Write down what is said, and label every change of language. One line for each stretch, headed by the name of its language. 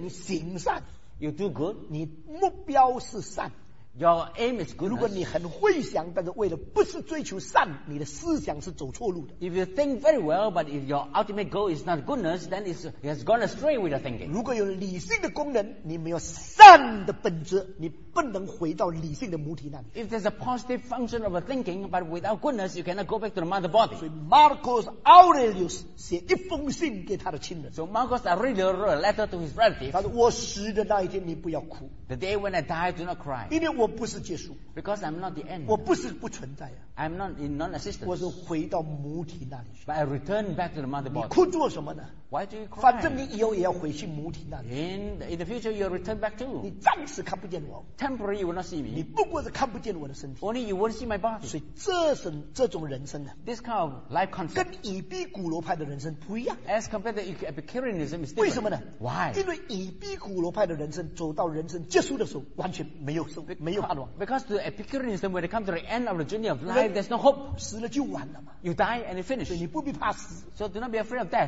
Chinese: 你行善
English: You do good
Chinese: 你目标是善
English: Your aim is good.
Chinese: 如果你很会想，但是为了不是追求善，你的思想是走错路的。
English: If you think very well, but if your ultimate goal is not goodness, then it has gone astray with your thinking.
Chinese: 如果有理性的功能，你没有善的本质，你不能回到理性的母体那里。
English: If there's a positive function of a thinking, but without goodness, you cannot go back to the mother body.
Chinese: 所以 Marcus Aurelius 写一封信给他的亲人。
English: So Marcus Aurelius wrote a letter to his relative.
Chinese: 他说：“我死的那一天，你不要哭。
English: The day when I die, do not cry.”
Chinese: 因为我不是结束
English: ，because I'm not the end。
Chinese: 我不是不存在呀、
English: 啊、，I'm not in non-existence。
Chinese: 我是回到母体那里去
English: ，but I return back to the mother body。
Chinese: 你哭做什么呢
English: ？Why do you cry？
Chinese: 反正你以后也要回去母体那里。
English: In the future, you'll return back too。
Chinese: 你暂时看不见我
English: ，temporary you will not see me。
Chinese: 你不过是看不见我的身体
English: ，only you won't see my body。
Chinese: 所以这种人生呢
English: ，this kind of life concept
Chinese: 跟以比古罗派的人生不一样。
English: As compared to Epicureanism, it's different。
Chinese: 为什么呢
English: ？Why？
Chinese: 因为以比古罗派的人生走到人生结束的时候，完全没有受。
English: Because to Epicureanism, when it comes to the end of the journey of life, there's no hope.
Chinese: 死了就完了嘛。
English: You die and it finish.
Chinese: 所以你不必怕死。
English: So do not be afraid of death.